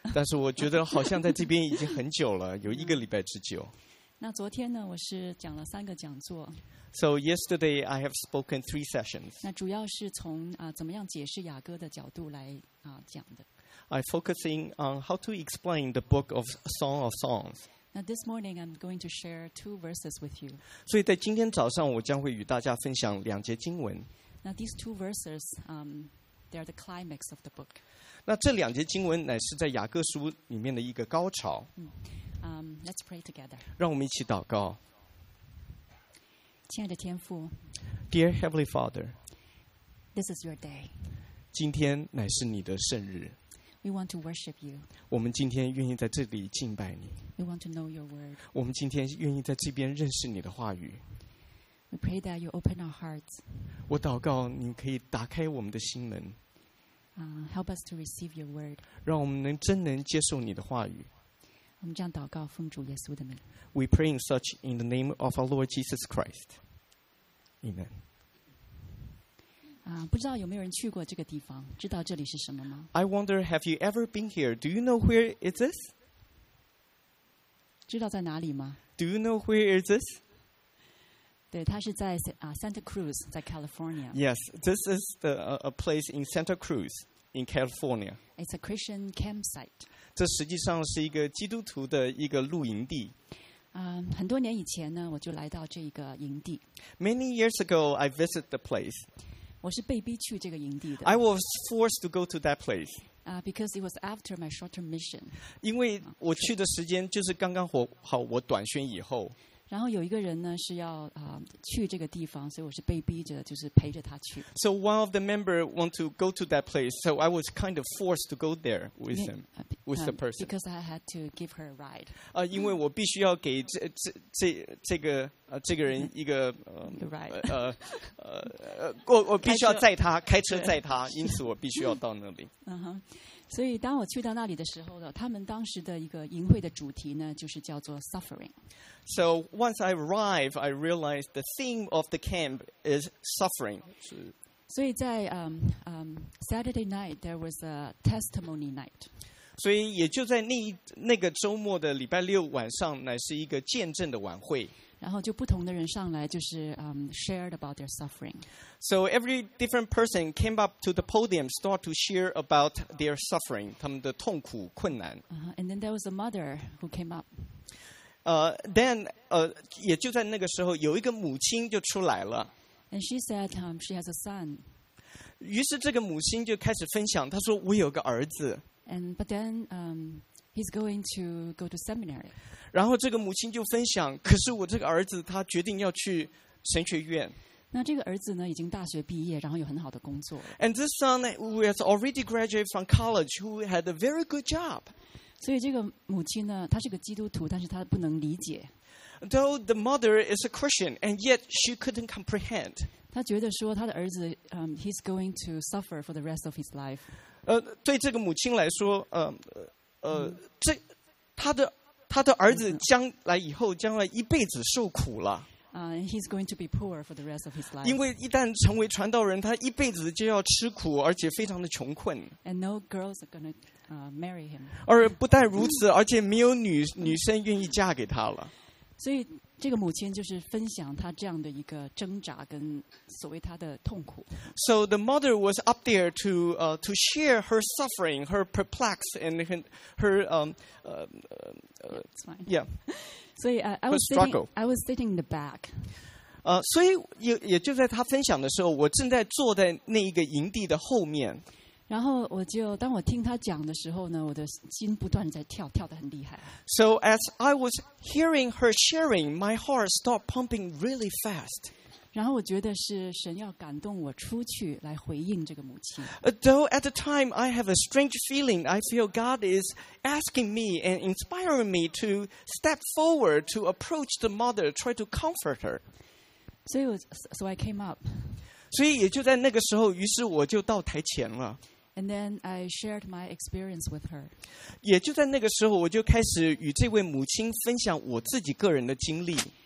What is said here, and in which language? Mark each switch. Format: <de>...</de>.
<zh>但是我觉得好像在这边已经很久了，有一个礼拜之久。那昨天呢，我是讲了三个讲座。</zh> <en>So yesterday I have spoken three sessions.</en> <zh>那主要是从怎么样解释雅各的角度来讲的。</zh> <en>I'm focusing on how to explain the book of Song of Songs. Now this morning, I'm going to share two verses with you.</en> <zh>所以在今天早上，我将会与大家分享两节经文。</zh> <en>Now these two verses, they are the climax of the book.</en> <zh>那这两节经文乃是在雅各书里面的一个高潮。</zh> <en>Let's pray together.</en> <zh>让我们一起祷告。亲爱的天父。</zh> <en>Dear Heavenly Father. This is your day.</en> <zh>今天乃是你的圣日。</zh> <en>We want to worship you.</en> <zh>我们今天愿意在这里敬拜你。</zh> <en>We want to know your word.</en> <zh>我们今天愿意在这边认识你的话语。</zh> <en>We pray that you open our hearts.</en> <zh>我祷告你可以打开我们的心门。</zh> <en>Help us to receive your word.</en> <zh>让我们能真能接受你的话语。我们这样祷告，奉主耶稣的名。</zh> <en>We pray in such in the name of our Lord Jesus Christ. Amen.</en> <zh>不知道有没有人去过这个地方，知道这里是什么吗</zh> <en>？I wonder, have you ever been here? Do you know where is this?</en> <zh>知道在哪里吗</zh> <en>？Do you know where is this?</en> <zh>对，它是在Santa Cruz, 在 California.</zh> <en>Yes, this is the a place in Santa Cruz, in California. It's a Christian campsite.</en> <zh>这实际上是一个基督徒的一个露营地。很多年以前呢，我就来到这个营地。</zh> <en>Many years ago, I visited the place.</en> <zh>我是被逼去这个营地的。</zh> <en>I was forced to go to that place. Because it was after my short-term mission.</en> <zh>因为我去的时间就是刚刚好我短宣以后。然后有一个人呢是要去这个地方，所以我是被逼着，就是陪着他去。</zh> <en>So one of the member want to go to that place, so I was kind of forced to go there with him, with the person. Because I had to give her a ride.</en> <zh>因为我必须要给这个人一个</zh> <en>ride.</en> <zh>我必须要载他开车载他，因此我必须要到那里。所以当我去到那里的时候呢，他们当时的一个营会的主题呢，就是叫做 suffering。</zh> <en>So once I arrive, I realized the theme of the camp is suffering.</en> <zh>所以在</zh> <en>Saturday night there was a testimony night.</en> <zh>所以也就在那个周末的礼拜六晚上，乃是一个见证的晚会。然后就不同的人上来，就是</zh> <en>shared about their suffering. So every different person came up to the podium, start to share about their suffering,</en> <zh>他们的痛苦困难。</zh> <en>And then there was a mother who came up.</en> <zh>Then 也就在那个时候，有一个母亲就出来了。</zh> <en>And she said she has a son.</en> <zh>于是这个母亲就开始分享，她说我有个儿子。</zh> <en>And but then he's going to go to seminary.</en> <zh>然后这个母亲就分享，可是我这个儿子他决定要去神学院。那这个儿子呢，已经大学毕业，然后有很好的工作。</zh> <en>And this son has already graduated from college, who had a very good job.</en> <zh>所以这个母亲呢，她是个基督徒，但是她不能理解。</zh> <en>Though the mother is a Christian, and yet she couldn't comprehend.</en> <zh>她觉得说她的儿子</zh> <en>he's going to suffer for the rest of his life.</en> <zh>对这个母亲来说，这他的儿子将来以后将来一辈子受苦了。</zh> <en>He's going to be poor for the rest of his life.</en> <zh>因为一旦成为传道人，他一辈子就要吃苦，而且非常的穷困。</zh> <en>And no girls are going to marry him.</en> <zh>而不但如此，而且没有女生愿意嫁给他了。所以这个母亲就是分享她这样的一个挣扎跟所谓她的痛苦。</zh> <en>So the mother was up there to share her suffering, her perplex and her So I was sitting in the back.</en> <zh>所以也就在她分享的时候，我正在坐在那一个营地的后面。然后我就当我听他讲的时候呢，我的心不断在跳，跳得很厉害。</zh> <en>So as I was hearing her sharing, my heart stopped pumping really fast.</en> <zh>然后我觉得是神要感动我出去来回应这个母亲。</zh> <en>Though at the time I have a strange feeling, I feel God is asking me and inspiring me to step forward to approach the mother, try to comfort her. So I came up.</en> <zh>所以也就在那个时候，于是我就到台前了。</zh> <en>And then I shared my experience with her.</en> <zh>也就在那个时候，我就开始与这位母亲分享我自己个人的经历。</zh>